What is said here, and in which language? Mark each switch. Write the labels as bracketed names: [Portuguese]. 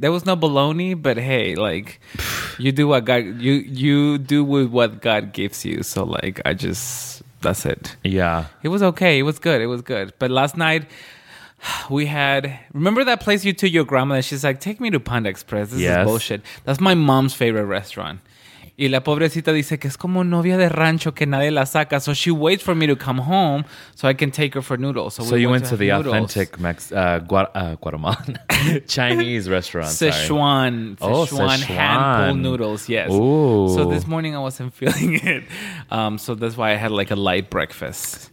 [English] There was no bologna, but hey, like you do what God you do with what God gives you. So like I just that's it. Yeah, it was okay. It was good. It was good. But last night. We had, remember that place you took your grandma and she's like, take me to Panda Express. This yes. is bullshit. That's my mom's favorite restaurant. [Spanish] Y la pobrecita dice que es como novia de rancho que nadie la saca. [English] So she waits for me to come home so I can take her for noodles. So, you went to the noodles. Authentic Guatemalan Chinese restaurant. Sichuan. Hand pull noodles, yes. Ooh. So this morning I wasn't feeling it. So that's why I had like a light breakfast.